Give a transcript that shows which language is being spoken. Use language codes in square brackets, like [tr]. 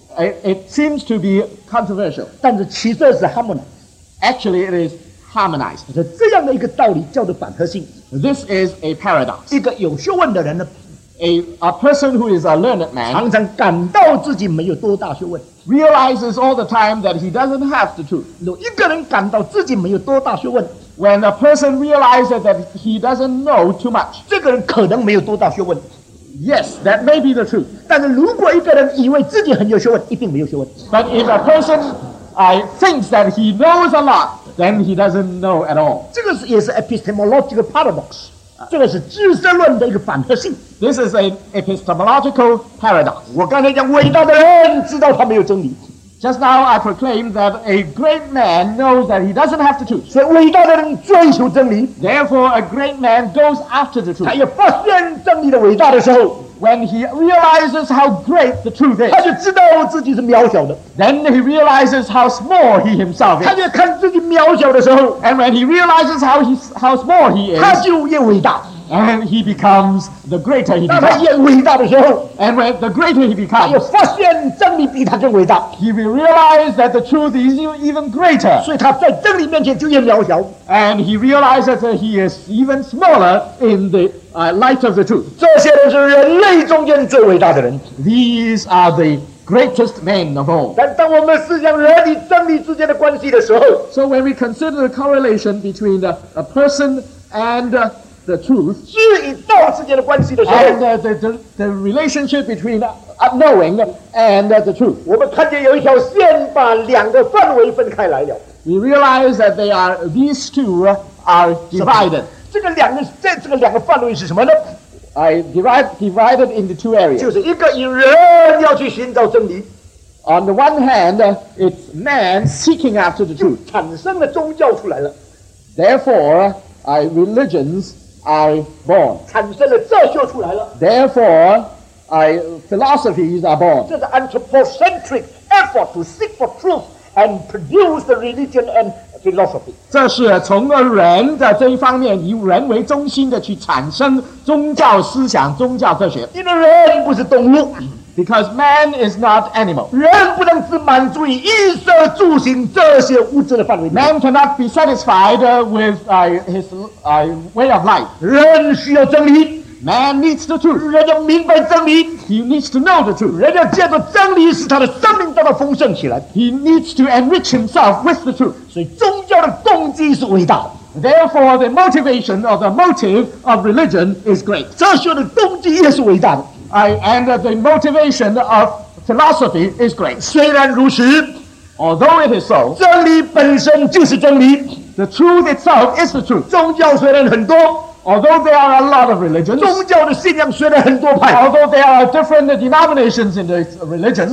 [en] It seems to be controversial. [zh] 但是其实是harmonized. [en] Actually, it is harmonized. [zh] 这样的一个道理叫做反合性。 [en] This is a paradox. [zh] 一个有学问的人呢, [en] A person who is a learned man [zh] 常常感到自己没有多大学问, [en] realizes all the time that he doesn't have the truth. [zh] No, 一个人感到自己没有多大学问, [en] when a person realizes that he doesn't know too much, [zh] 这个人可能没有多大学问, [en] yes, that may be the truth. [zh] 但是如果一个人以为自己很有学问, 一定没有学问。 [en] But if a person thinks that he knows a lot, then he doesn't know at all. [zh] 这个也是 [en] epistemological paradox. [zh] 这个是知识论的一个反合性。 [en] This is an epistemological paradox. [zh] 我刚才讲伟大的人知道他没有真理。 [en] Just now I proclaimed that a great man knows that he doesn't have the truth. [zh] 所以伟大的人追求真理。 [en] Therefore a great man goes after the truth. [zh] 他也发现真理的伟大的时候, [en] when he realizes how great the truth is, [zh] 他就知道自己是渺小的。 [en] Then he realizes how small he himself is. [zh] 他就看自己渺小的时候, [en] and when he realizes how small he is, [zh] 他就越伟大。 [en] And he becomes the greater he becomes. And when the greater he becomes, he will realize that the truth is even greater. And he realizes that he is even smaller in the light of the truth. These are the greatest men of all. So when we consider the correlation between a person and the truth, and the relationship between knowing and the truth, we realize that these two are divided. [zh] 这个两个范围是什么呢? [en] I divided into two areas. [zh] 就是一个以人要去寻找真理。 [en] On the one hand, it's man seeking after the truth. [zh] 产生了宗教出来了。 [en] Therefore, religions are born. [zh] 产生了哲学出来了。 [en] Therefore, philosophies are born. 这是 anthropocentric effort to seek for truth and produce the religion and philosophy. [zh] 这是从人的这一方面以人为中心的去产生宗教思想、宗教哲学。因为人不是动物。 [en] Because man is not animal. [zh] 人不能只满足于衣食住行这些物质的范围。 [en] Man cannot be satisfied with his way of life. [zh] 人需要真理。 [en] Man needs the truth. [zh] 人要明白真理。 [en] He needs to know the truth. [zh] 人要借着真理使他的生命得到丰盛起来。 [en] He needs to enrich himself with the truth. [zh] 所以宗教的动机是伟大。 [en] Therefore, the motivation or the motive of religion is great. [zh] 哲学的动机也是伟大的。 [en] And the motivation of philosophy is great. [zh] 虽然如此, [en] Although it is so, [zh] 真理本身就是真理。 [en] The truth itself is the truth. [zh] 宗教虽然很多。 [en] Although there are a lot of religions, [zh] 宗教的信仰虽然很多派, [en] although there are different denominations in the religion,